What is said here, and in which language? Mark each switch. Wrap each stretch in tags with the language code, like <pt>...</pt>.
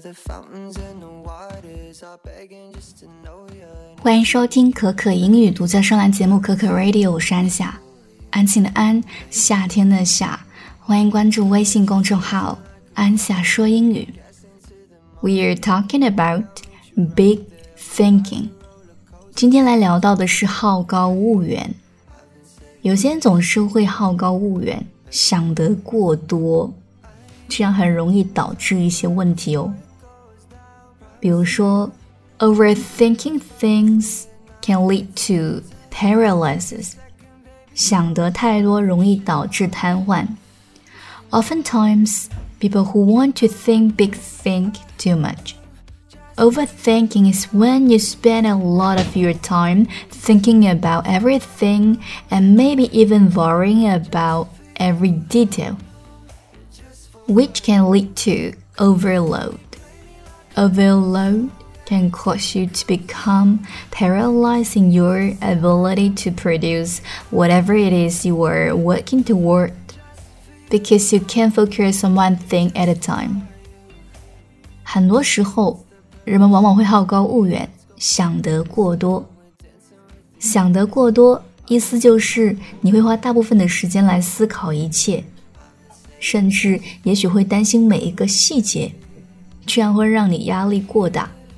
<en>The fountains and the waters are begging just to know you.</en> <zh>欢迎收听可可英语独家上篮节目可可 Radio， 我是安夏，安静的安，夏天的夏。欢迎关注微信公众号安夏说英语。</zh> <en>We are talking about big thinking。</en> <zh>今天来聊到的是好高骛远。有些人总是会好高骛远，想得过多，这样很容易导致一些问题哦。比如说</zh> <en>，overthinking things can lead to paralysis。</en> <zh>想得太多容易导致瘫痪。</zh> <en>Oftentimes, people who want to think big think too much. Overthinking is when you spend a lot of your time thinking about everything and maybe even worrying about every detail, which can lead to overload. Overload can cause you to become paralyzed in your ability to produce whatever it is you are working toward because you can't focus on one thing at a time.</en> <zh>很多时候人们往往会好高骛远，想得过多。想得过多，意思就是你会花大部分的时间来思考一切，甚至也许会担心每一个细节，这样会让你压力过大。</zh>